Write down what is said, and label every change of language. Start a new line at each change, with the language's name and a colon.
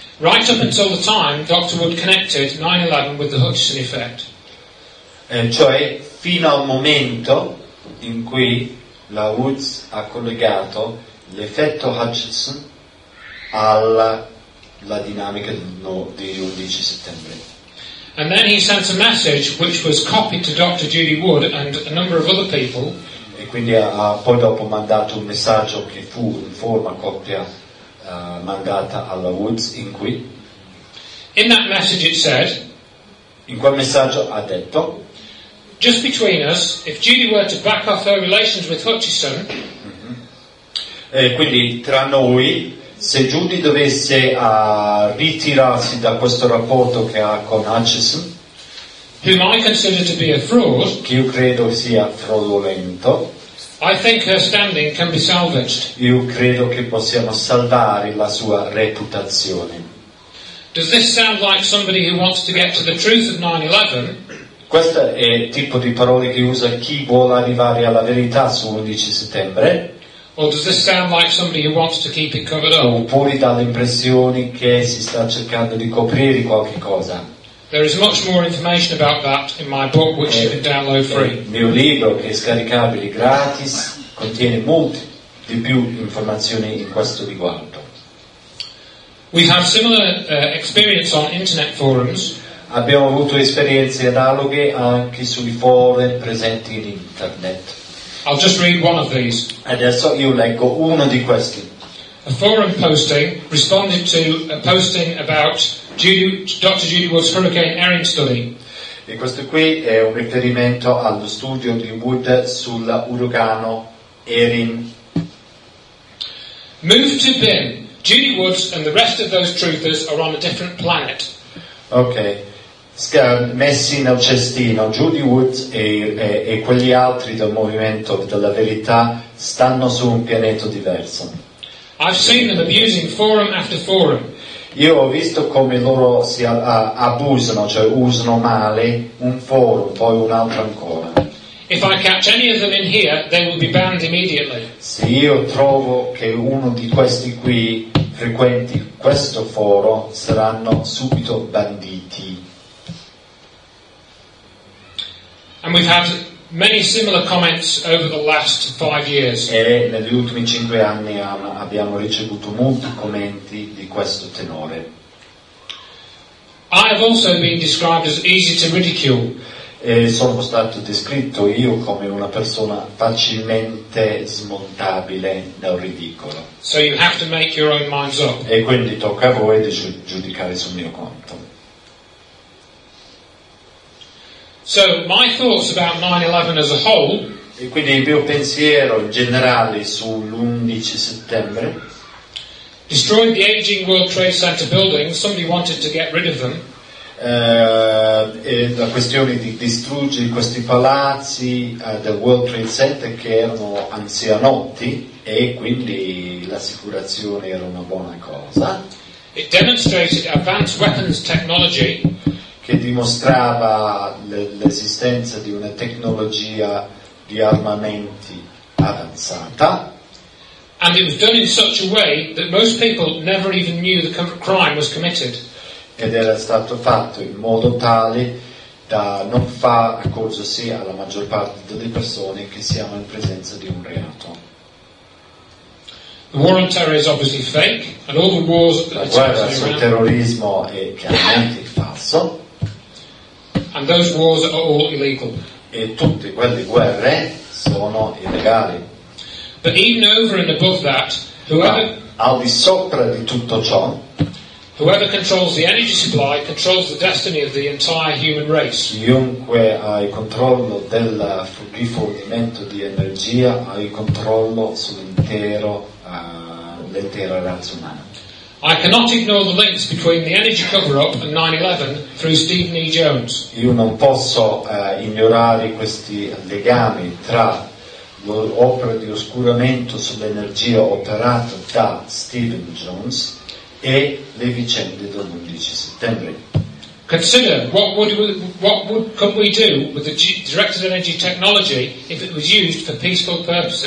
English: Right up until the time Dr. Wood connected 9/11 with the Hutchison effect.
Italian: Cioè fino al momento in cui la Woods ha collegato l'effetto Hutchison alla la dinamica di 11 settembre.
English: And then he sent a message which was copied to Dr. Judy Wood and a number of other people.
Italian: E quindi ha poi dopo mandato un messaggio che fu in forma copia mandata alla Woods in cui.
English: In that message it said.
Italian: In quel messaggio ha detto.
English: Just between us, if Judy were to back off her relations with Hutchison. Mm-hmm.
Italian: Quindi tra noi, se Judy dovesse ritirarsi da questo rapporto che ha con Hutchison,
English: whom I consider to be a fraud,
Italian: che io credo sia fraudolento,
English: I think her standing can be salvaged.
Italian: Io credo che possiamo salvare la sua reputazione.
English: Does this sound like somebody who wants to get to the truth of 9/11?
Italian: Questo è il tipo di parole che usa chi vuole arrivare alla verità su 11 settembre.
English: Or does this sound like somebody who wants to keep it covered up?
Italian: Oppure dà l'impressione che si sta cercando di coprire qualche cosa.
English: There is much more information about that in my book, which you can download free.
Italian: Il mio libro, che è scaricabile gratis, contiene molte di più informazioni in questo riguardo.
English: We have similar experience on internet forums.
Italian: Abbiamo avuto esperienze analoghe anche sui forum presenti in internet.
English: I'll just read one of these.
Italian: Adesso io leggo uno di questi.
English: A forum posting responded to a posting about Dr. Judy Wood's Hurricane Erin study.
Italian: E questo qui è un riferimento allo studio di Wood sull'uragano Erin.
English: Move to Bin. Judy Wood and the rest of those truthers are on a different planet. Ok.
Italian: Messi nel cestino, Judy Woods e quegli altri del movimento della verità stanno su un pianeta diverso.
English: I've seen them abusing forum after forum.
Italian: Io ho visto come loro si abusano, cioè usano male un forum, poi un altro ancora.
English: If I catch any of them in here, they will be banned immediately.
Italian: Se io trovo che uno di questi qui frequenti questo foro, saranno subito banditi.
English: And we've had many similar comments over the last 5 years.
Italian: E negli ultimi 5 anni abbiamo ricevuto molti commenti di questo tenore.
English: I have also been described as easy to ridicule.
Italian: E sono stato descritto io come una persona facilmente smontabile dal ridicolo.
English: So you have to make your own minds up.
Italian: E quindi tocca a voi di giudicare sul mio conto.
English: So my thoughts about 9/11 as a whole.
Italian: E quindi il mio pensiero generale sull'11 settembre.
English: Destroyed the aging World Trade Center building. Somebody wanted to get rid of them.
Italian: La questione di distruggere questi palazzi del World Trade Center che erano anzianotti e quindi l'assicurazione era una buona cosa.
English: It demonstrated advanced weapons technology.
Italian: Che dimostrava l'esistenza di una tecnologia di armamenti avanzata.
English: And it was done in such a way that most people never even knew the crime was committed.
Italian: Ed era stato fatto in modo tale da non far accorgersi alla maggior parte delle persone che siamo in presenza di un reato.
English: The war on terror is obviously fake, and all the wars.
Italian: La guerra sul terrorismo è chiaramente falso.
English: And those wars are all illegal.
Italian: E tutte quelle guerre sono illegali.
English: But even over and above that, whoever
Italian: al di sopra di tutto ciò,
English: whoever controls the energy supply controls the destiny of the entire human race.
Italian: Chiunque ha il controllo del rifornimento di energia ha il controllo sull'intero l'intera razza umana.
English: I cannot ignore the links between the energy cover-up and 9/11 through Stephen E. Jones.
Italian: Io non posso ignorare questi legami tra l'opera di oscuramento sull'energia operata da Stephen Jones e le vicende dell'11 settembre.
English: Consider what would could we do with the directed energy technology if it was used for peaceful purposes?